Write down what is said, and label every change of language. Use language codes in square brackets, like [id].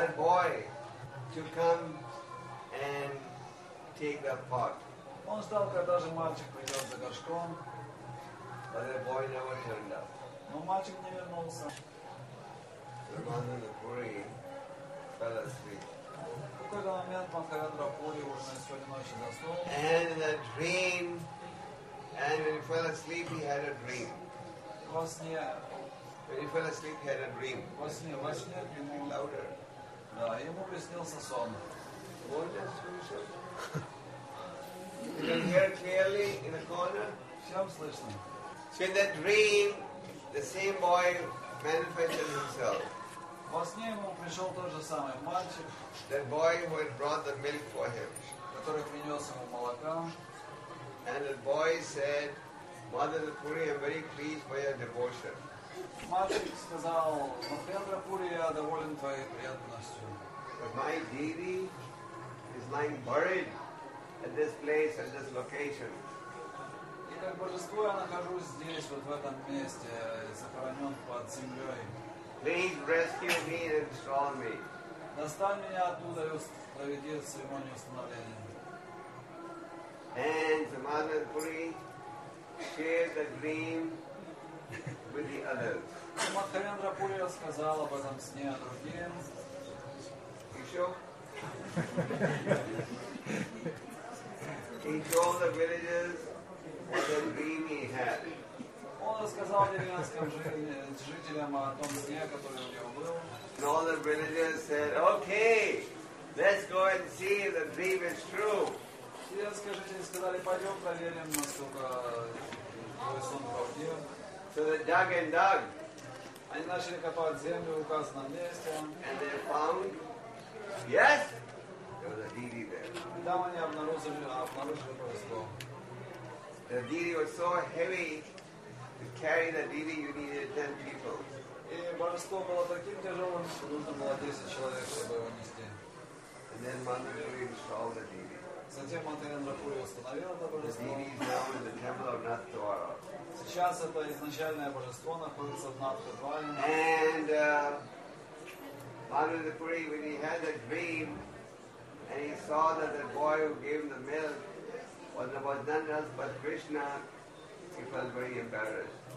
[en] that boy to come and take that pot. [ru] Он ждал, когда же мальчик придет за горшком. [en] But the boy never turned up. [ru] Но мальчик не вернулся. [en] The Madhava Puri fell asleep. [ru] В какой-то момент Махарадхи Пури уже сегодня ночью заснул. [en] And in a dream, and when he fell asleep, he had a dream. [ru] Во сне. [en] When he fell asleep, he had a dream. [ru] Во сне. Во сне. Ему [en] louder. [ru] Да, ему приснился сон. [en] Gorgeous, beautiful. You can hear clearly in the corner. [ru] Всем слышно. [en] So in that dream, the same boy manifested himself. [ru] Во сне ему пришел тот же самый мальчик. [en] That boy who had brought the milk for him. [ru] Который принес ему молока. [en] And the boy said, Mother Puri, I'm very pleased by your devotion. [ru] Мальчик сказал, Махендра Пури, я доволен твоей преданностью. [en] But my deity is lying buried at this place, at this location. [ru] И как божество я нахожусь здесь, вот в этом месте, захоронен под землей. [en] Please rescue me and install me. [ru] Достань меня оттуда и проведи церемонию установления. [en] And the Mother Puri shared the dream with the others. [ru] Махарендра Пури сказал об этом сне другим. Еще? [en] He told the villagers what a dream he had. [ru] Он рассказал деревенским жителям о том сне, который у него был. [en] And all the villagers said, okay, let's go and see if the dream is true. So they dug and dug. [ru] Они начали копать землю в указанном месте. [en] And they found, yes, there was a deity there. [ru] И там они обнаружили божество. [en] The deity was so heavy to carry the deity, you needed 10 people. [ru] И божество было таким тяжелым, что нужно было 10 человек, чтобы его нести. [en] And then Mother Mary installed the deity. [ru] Затем Матхарендра Пури установил это божество. Сейчас это изначальное божество находится в Натхадваре. [en] And Матхарендра Пури, when he had a dream, and he saw that the boy who gave him the milk was about none else but Krishna, he felt very embarrassed.